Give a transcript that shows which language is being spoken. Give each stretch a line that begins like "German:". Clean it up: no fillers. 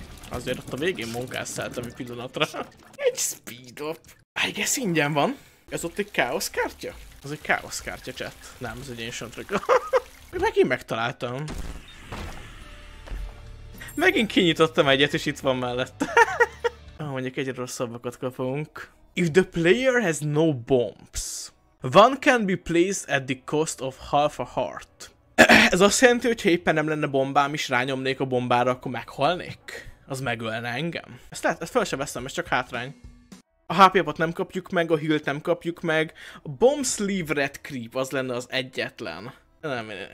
Hungarian: Azért ott a végén munkás szeltem egy pillanatra. Egy speed up.
English: I guess
Hungarian: ingyen van. Ez ott egy káosz kártya? Az egy káosz kártya, chat. Nem, ez egy ancient trigger. Megint megtaláltam. Megint kinyitottam egyet, és itt van mellett. Mondjuk egyre rosszabbakat kapunk.
English: If the player has no bombs, one can be placed at the cost of half a heart.
Hungarian: Ez azt jelenti, hogy ha éppen nem lenne bombám, és rányomnék a bombára, akkor meghalnék? Az megölne engem. Ezt fel sem veszem, ez csak hátrány. A HP-ot nem kapjuk meg, a heal-t nem kapjuk meg. A bomb sleeve red creep az lenne az egyetlen. Nem.